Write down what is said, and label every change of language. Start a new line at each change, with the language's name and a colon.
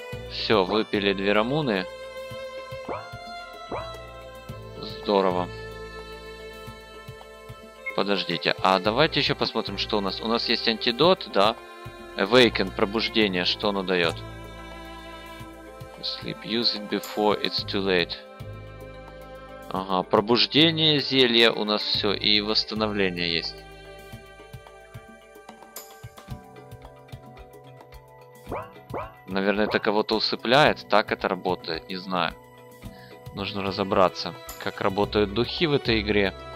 Russian: Все, выпили две Рамуны. Здорово. Подождите, а давайте еще посмотрим, что у нас. У нас есть антидот, да? Awaken, пробуждение, что оно дает?
English: Sleep, use it before it's too late.
Russian: Ага, пробуждение, зелье, у нас все, и восстановление есть. Наверное, это кого-то усыпляет, так это работает, не знаю. Нужно разобраться, как работают духи в этой игре.